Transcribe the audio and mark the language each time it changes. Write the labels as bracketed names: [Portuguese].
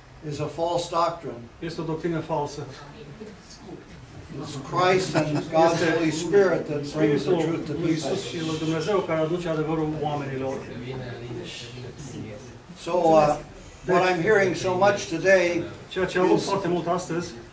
[English] is a false doctrine. [Romanian] Este o doctrină falsă. [English] It's Christ and God's Holy Spirit that brings the truth to people. [Romanian] Iisus și lui Dumnezeu care aduce adevărul oamenilor. [English] So what I'm hearing so much today, [Romanian] ceea ce aud foarte mult astăzi,